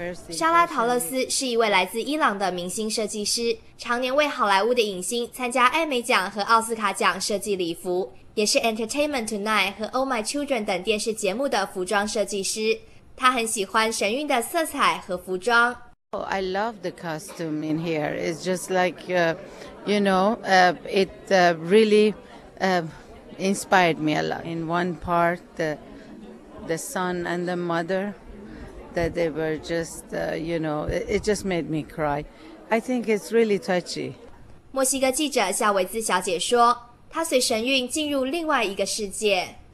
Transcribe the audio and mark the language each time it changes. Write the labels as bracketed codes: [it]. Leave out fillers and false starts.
[zh] 莎拉·陶勒斯是一位来自伊朗的明星设计师，常年为好莱坞的影星参加艾美奖和奥斯卡奖设计礼服，也是 Entertainment Tonight 和 Oh My Children 等电视节目的服装设计师。他很喜欢神韵的色彩和服装。 [en] Oh, I love the costume in here. It's just like, it really inspired me a lot. In one part, the son and the mother, that they were just, it just made me cry. I think it's really touchy. [zh] 墨西哥记者夏维兹小姐说，她随神韵进入另外一个世界。